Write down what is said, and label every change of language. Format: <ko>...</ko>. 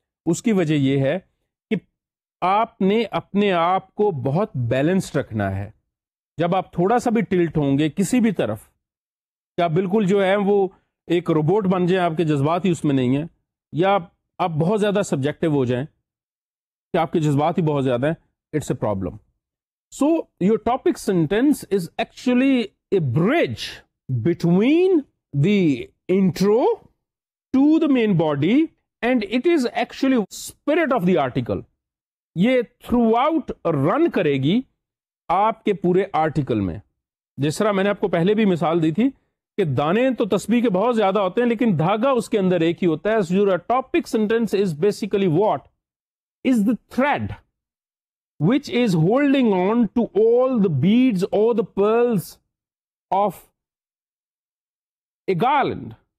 <ur>اس کی وجہ یہ ہے کہ آپ نے اپنے آپ کو بہت بیلنسڈ رکھنا ہے. جب آپ تھوڑا سا بھی ٹلٹ ہوں گے کسی بھی طرف, یا بالکل جو ہے وہ ایک روبوٹ بن جائیں, آپ کے جذبات ہی اس میں نہیں ہیں, یا آپ بہت زیادہ سبجیکٹو ہو جائیں کہ آپ کے جذبات ہی بہت زیادہ ہیں,</ur> <en>It's a problem. So your topic sentence is actually a bridge between the intro to the main body, and it is actually spirit of the article.</en> <ur>یہ تھرو آؤٹ رن کرے گی آپ کے پورے آرٹیکل میں. جس طرح میں نے آپ کو پہلے بھی مثال دی تھی کہ دانے تو تسبیح کے بہت زیادہ ہوتے ہیں لیکن دھاگا اس کے اندر ایک ہی ہوتا ہے.</ur> <en>Your topic sentence is basically what is the thread which is holding on to all the beads اور the pearls of a garland.</en>